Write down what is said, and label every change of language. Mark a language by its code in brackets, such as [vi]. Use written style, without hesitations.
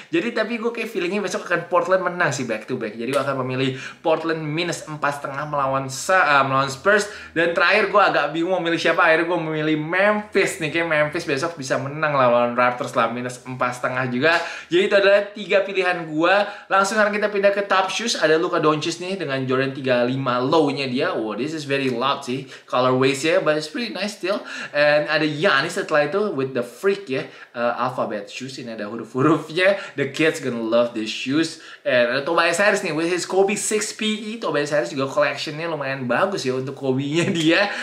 [id] Jadi tapi gue kayak feelingnya besok akan Portland menang sih back-to-back. Jadi gue akan memilih Portland minus 4,5 melawan Spurs. Dan terakhir gue agak bingung mau milih siapa, akhirnya gue memilih Memphis nih. Kayak Memphis besok bisa menang lawan Raptors lah, minus 4,5 juga. Jadi itu adalah 3 pilihan gue. Langsung sekarang kita pindah ke top shoes. Ada Luka Doncic nih dengan Jordan 35 low-nya dia. [en] Wow, this is very loud sih colorways-nya, but it's pretty nice still. And [id] ada Giannis setelah itu [en] with the freak ya, alphabet shoes. [id] Ini ada huruf-hurufnya, [en] the kids gonna love these shoes. And ada Tobias Harris nih with his Kobe 6 PE. [id] Tobias Harris juga collection-nya lumayan bagus ya untuk Kobe-nya dia.